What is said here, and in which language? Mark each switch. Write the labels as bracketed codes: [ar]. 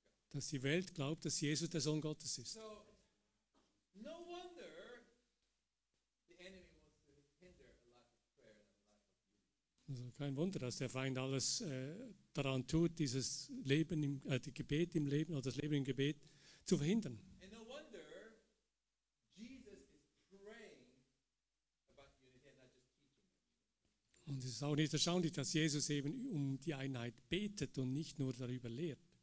[de] Dass die Welt glaubt, dass Jesus der Sohn Gottes ist. [en] No wonder the enemy wants to hinder a life of prayer and a life of unity. [de] Also kein Wunder, dass der Feind alles daran tut, dieses Leben im die Gebet im Leben oder das Leben im Gebet zu verhindern. [en] And no wonder Jesus is praying about unity and not just teaching it. [de] Und es ist auch nicht erstaunlich, dass Jesus eben um die Einheit betet und nicht nur darüber lehrt.